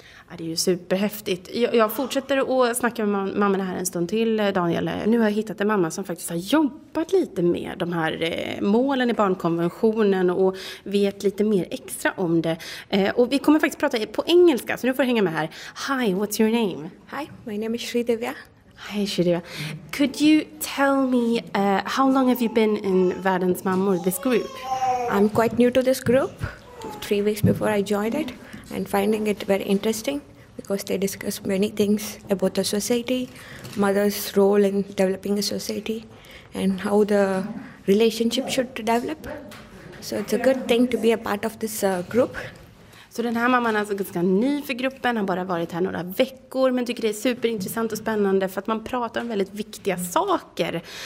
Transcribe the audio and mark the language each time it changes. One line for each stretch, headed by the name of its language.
Swedish: Ja, det är ju superhäftigt. Jag fortsätter att snacka med mamma här en stund till, Daniel. Nu har jag hittat en mamma som faktiskt har jobbat lite med de här målen i barnkonventionen och vet lite mer extra om det. Och vi kommer faktiskt prata på engelska, så nu får du hänga med här.
English: Hi, what's your name? Hi, my name is Shridevya. Hi, Shridevya. Could you tell me how long have you been in Världens mammor, this group? I'm quite new to this group. 3 weeks before I joined it. And finding it very interesting because they discuss many things about the society, mother's role in developing a society, and how the relationship should develop. So it's a good thing to be a part of this group.
Swedish: Så den här mamman är ganska ny för gruppen, har bara varit här några veckor, men tycker det är superintressant och spännande för att man pratar om väldigt viktiga saker.